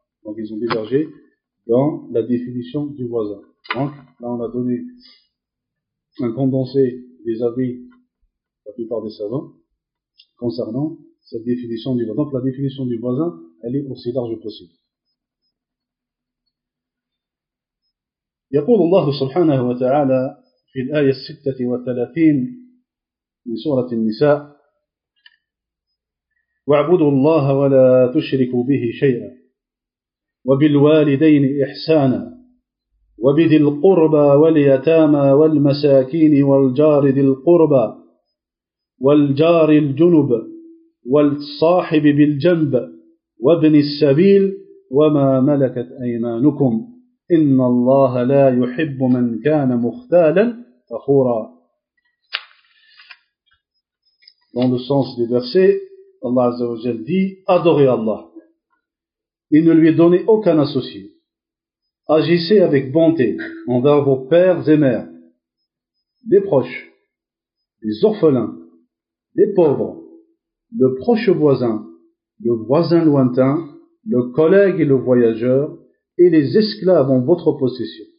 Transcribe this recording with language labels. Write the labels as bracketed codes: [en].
[fr] Donc ils ont divergé dans la définition du voisin. Donc là on a donné un condensé des avis de la plupart des savants concernant cette définition du voisin. Donc la définition du voisin, elle est aussi large possible. [ar] يقول الله سبحانه وتعالى في الآية 36 من سورة النساء واعبدوا الله ولا تشركوا به شيئا وبالوالدين إحسانا وبذي القربى واليتامى والمساكين والجار ذي القربى والجار الجنب والصاحب بالجنب وابن السبيل وما ملكت أيمانكم إن الله لا يحب من كان مختالا فخورا. [fr] Dans le sens des versets, Allah Azza wa Jal dit « Adorez Allah et ne lui donnez aucun associé. Agissez avec bonté envers vos pères et mères, les proches, les orphelins, les pauvres, le proche voisin, le voisin lointain, le collègue et le voyageur et les esclaves en votre possession.